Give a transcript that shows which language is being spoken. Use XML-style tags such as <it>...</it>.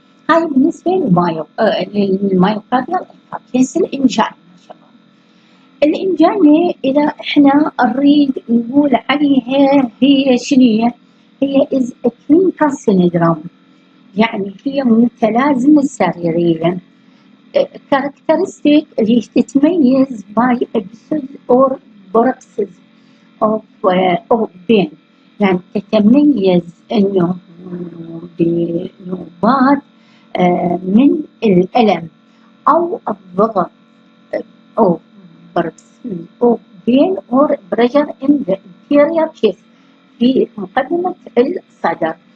<ar>هاي بالنسبة للمايوكارديال انفاركشن. الانجينا شباب الانجينا اذا احنا نريد نقول عليها هي شنية، هي</ar> <en>is clinical syndrome</en> <ar>يعني هي متلازمة سريرية</ar> <en>characteristic is determined by episodes or paroxysm of pain.</en> <ar>يعني تتميز انه بنوبات من الالم او الضغط او بربسم او بين او</ar> <en>pressure in the anterior chest</en> <ar>في مقدمه الصدر.</ar>